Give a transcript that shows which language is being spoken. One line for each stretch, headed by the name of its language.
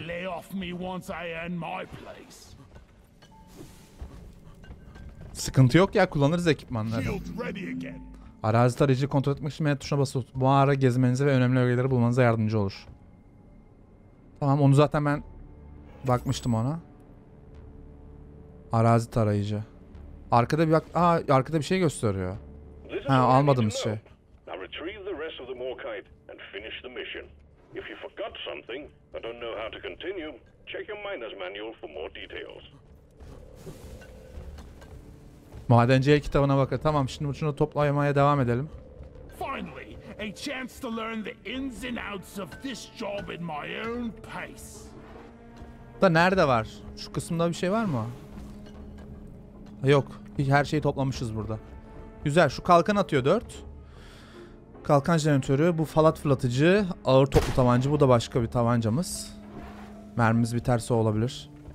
English: Lay off me once I earn my place.
Turkish: Sıkıntı yok ya, kullanırız ekipmanları. Arazi tarayıcıyı kontrol etmek için M tuşuna basılır. Bu ara gezmenize ve önemli ögeleri bulmanıza yardımcı olur. Tamam, onu zaten ben bakmıştım ona. Arazi tarayıcı. Arkada bir bak. Aa, arkada bir şey gösteriyor. Ha, almadığımız şey.
English: Now retrieve the rest of the morkite and finish the mission. If you forgot something or don't know how to continue, check your miner's manual for more details.
Turkish: Madenciye kitabına bakın. Tamam, şimdi bunu toplamaya devam edelim.
English: Finally. A chance to learn the ins and outs of this job in my own pace.
Turkish: Da nerede var? Şu kısımda bir şey var mı? Yok. Her şeyi toplamışız burada. Güzel. Şu kalkan atıyor 4. Kalkan jeneratörü. Bu falat fırlatıcı. Ağır toplu tabanca. Bu da başka bir tabancamız. Mermimiz biterse olabilir.